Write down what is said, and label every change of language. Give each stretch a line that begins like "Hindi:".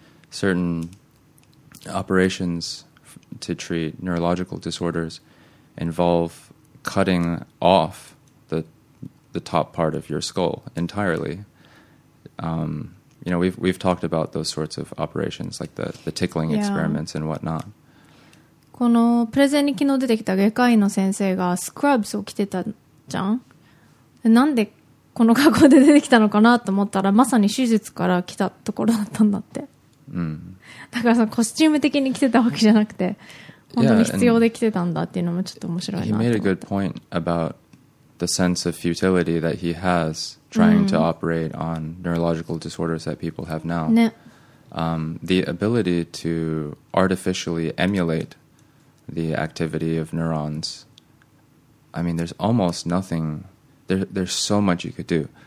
English: Certain operations to treat neurological disorders involve cutting off the top part of your skull entirely. You know, we've talked about those sorts of operations, like the tickling experiments and whatnot.
Japanese: このプレゼンに昨日出てきた外科医の先生がスクラブスを着てたじゃん。なんでこの格好で出てきたのかなと思ったら、まさに手術から来たところだったんだって。だからさ、コスチューム的に着てたわけじゃなくて、本当に必要で着てたんだっていうのもちょっと面白いなと思って。
English: He made a good point about the sense of futility that he has. Trying to operate on neurological disorders that people have now. The ability to artificially emulate the activity of neurons, I mean, there's almost nothing, there's so much you could do.